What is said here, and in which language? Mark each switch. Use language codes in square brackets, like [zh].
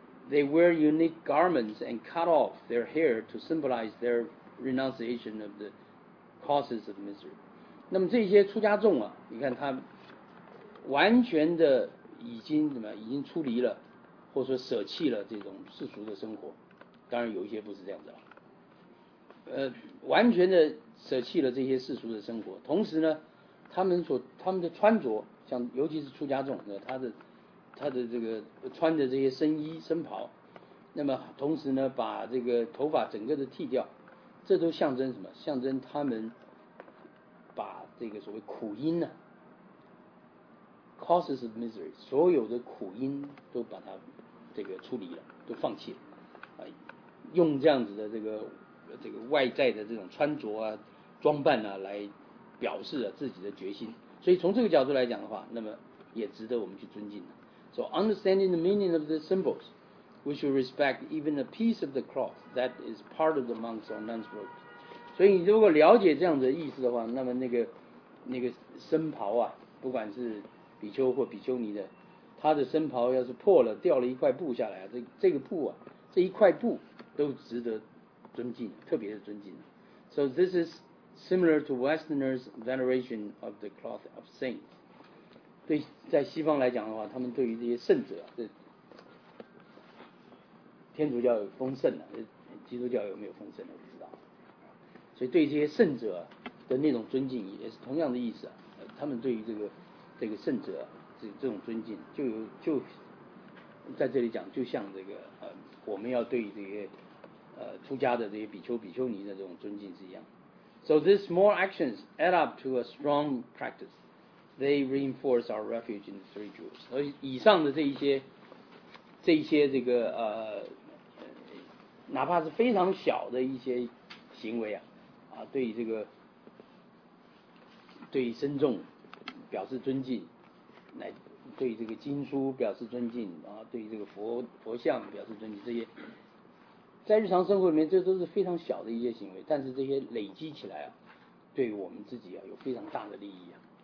[en] They wear unique garments and cut off their hair to symbolize their renunciation of the causes of misery. [zh] 那么这些出家众啊，你看他完全的已经出离了，或者说舍弃了这种世俗的生活。当然有一些不是这样子了，完全的舍弃了这些世俗的生活。同时呢，他们的穿着，像尤其是出家众，那他的这个穿着这些僧衣僧袍，那么同时呢把这个头发整个的剃掉，这都象征什么？象征他们把这个所谓苦因呢 [en] causes of misery [zh] 所有的苦因都把它这个处理了，都放弃了，用这样子的这个外在的这种穿着啊装扮啊来表示了自己的决心。所以从这个角度来讲的话，那么也值得我们去尊敬的。 [en] So understanding the meaning of the symbols, we should respect even a piece of the cloth that is part of the monk's or nun's robe. [zh] 所以你如果了解这样的意思的话，那么那个僧袍啊，不管是比丘或比丘尼的，他的身袍要是破了掉了一块布下来，这个布啊，这一块布都值得尊敬，特别的尊敬。 [en] So this is similar to Westerners' veneration of the cloth of saints. [zh] 对，在西方来讲的话，他们对于这些圣者，这天主教有丰盛的，基督教有没有丰盛的不知道，所以对这些圣者的那种尊敬也是同样的意思，他们对于这个圣者这种尊敬，就在这里讲，就像这个我们要对于这些出家的这些比丘尼的这种尊敬是一样。 [en] So these small actions add up to a strong practice. They reinforce our refuge in the three jewels. [zh] 所以以上的这一些这个哪怕是非常小的一些行为啊，对于这个对于僧众表示尊敬，来对于这个经书表示尊敬啊，对于这个佛像表示尊敬，这些在日常生活里面，这都是非常小的一些行为，但是这些累积起来啊，对于我们自己啊有非常大的利益啊。